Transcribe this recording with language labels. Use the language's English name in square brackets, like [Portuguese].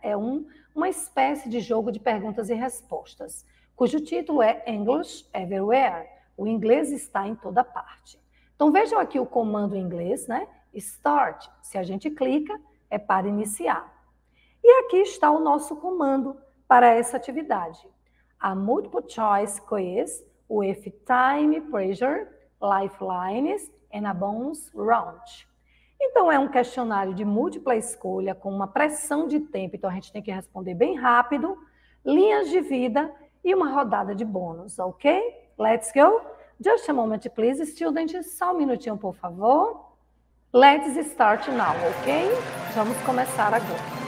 [Portuguese] É uma espécie de jogo de perguntas e respostas, cujo título é English Everywhere, o inglês está em toda parte. Então vejam aqui o comando em inglês, né? Start, se a gente clica, é para iniciar. E aqui está o nosso comando para essa atividade. [English] A multiple choice quiz with time pressure, lifelines and a bonus round. [Portuguese] Então, é um questionário de múltipla escolha com uma pressão de tempo, então a gente tem que responder bem rápido, linhas de vida e uma rodada de bônus, ok? [English] Let's go! Just a moment, please, students. [Portuguese] Só um minutinho, por favor. [English] Let's start now, ok? [Portuguese] Vamos começar agora.